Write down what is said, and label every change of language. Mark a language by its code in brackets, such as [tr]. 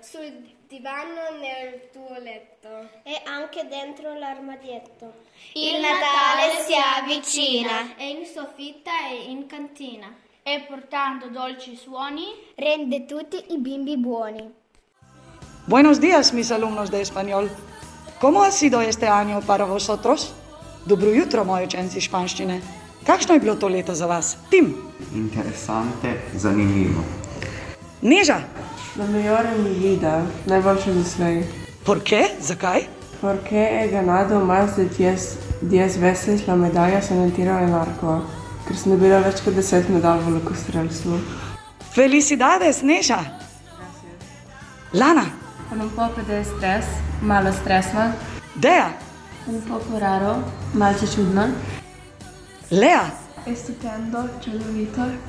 [it] Sul divano nel tuo letto. E anche dentro l'armadietto. Il Natale si avvicina. E in soffitta e in cantina. E portando dolci suoni, rende tutti i bimbi buoni. [es] Buenos días, mis alumnos de español. ¿Cómo ha sido este año para vosotros? [sl] Dobro jutro, moji učenci španščine. Kakšno je bilo to leto za vas, Tim? [es] Interesante, [sl] zanimivo. [es] Neža? La mejor en mi vida, [sl] najboljše doslej. [es] Por qué? [sl] Zakaj? [es] Porque he ganado más de 10 veces la medalla San Antonio en arco. [sl] Ker sem dobila več kot 10 medalj v lokostrelstvu. [es] Felicidades, Neža! Lana! Un poco de stres, [sl] malo stresno. [es] Dea! Un poco raro, [sl] malce čudno. [es] Lea! Estupendo, [sl] čudovito.